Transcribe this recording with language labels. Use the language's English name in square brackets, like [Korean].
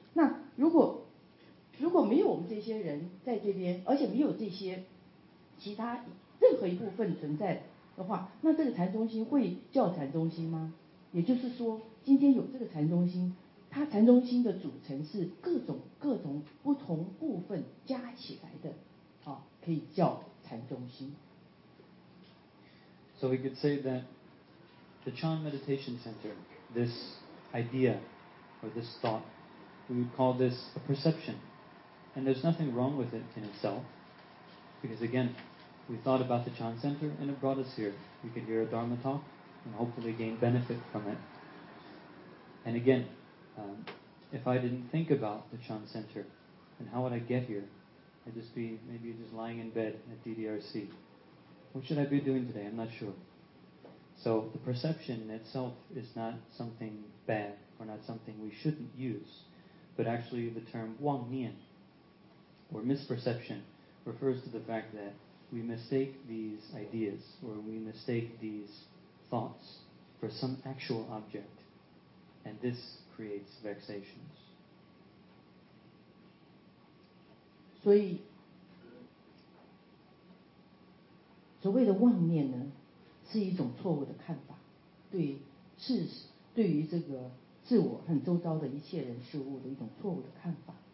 [Chinese] 那如果没有我们这些人在这边，而且没有这些其他任何一部分存在的话，那这个禅宗心会叫禅宗心吗？也就是说今天有这个禅宗心，它禅宗心的组成是各种不同部分加起来的、哦、可以叫禅宗心。 [English] So we could say that the Chan Meditation Center, this idea or this thought, we would call this a perception. And there's nothing wrong with it in itself, because againWe thought about the Chan Center and it brought us here. We could hear a Dharma talk and hopefully gain benefit from it. And again,、if I didn't think about the Chan Center, then how would I get here? I'd just be maybe just lying in bed at DDRC. What should I be doing today? I'm not sure. So the perception itself is not something bad or not something we shouldn't use, but actually the term Wang Nian or misperception refers to the fact thatWe mistake these ideas or we mistake these thoughts for some actual object, and this creates vexations. [Chinese] 所以所谓的妄念呢是一种错误的看法，对于这个自我很周遭的一切人事物的一种错误的看法。